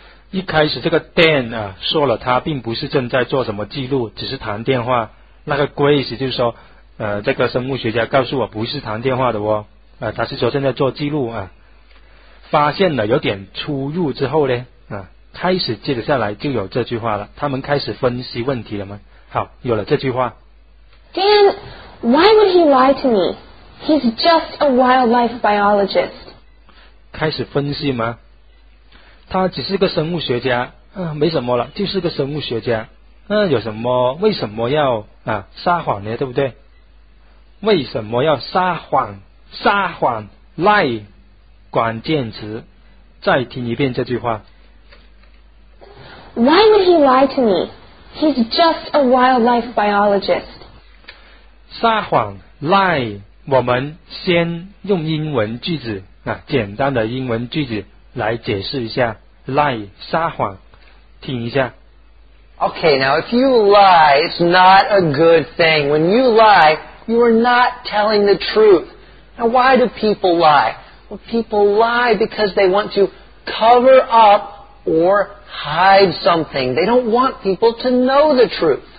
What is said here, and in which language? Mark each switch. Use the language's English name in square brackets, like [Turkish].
[Chinese] 一开始这个 Dan 啊说了，他并不是正在做什么记录，只是谈电话。那个 Grace 就说，这个生物学家告诉我不是谈电话的哦，他是说正在做记录啊。发现了有点出入之后呢，开始接着下来就有这句话了。他们开始分析问题了吗？好，有了这句话。 [English] Dan, why would he lie to me? He's just a wildlife biologist. [Chinese] 开始分析吗？他只是个生物学家啊，没什么了，就是个生物学家。那、啊、有什么？为什么要啊撒谎呢？对不对？为什么要撒谎？撒谎 lie 关键词。再听一遍这句话。 [English] Why would he lie to me? He's just a wildlife biologist. [Chinese] 撒谎 lie， 我们先用英文句子。啊，简单的英文句子来解释一下 lie 撒谎，听一下。 [English] Okay, now if you lie, it's not a good thing. When you lie, you are not telling the truth. Now, why do people lie? Well, people lie because they want to cover up or hide something. They don't want people to know the truth.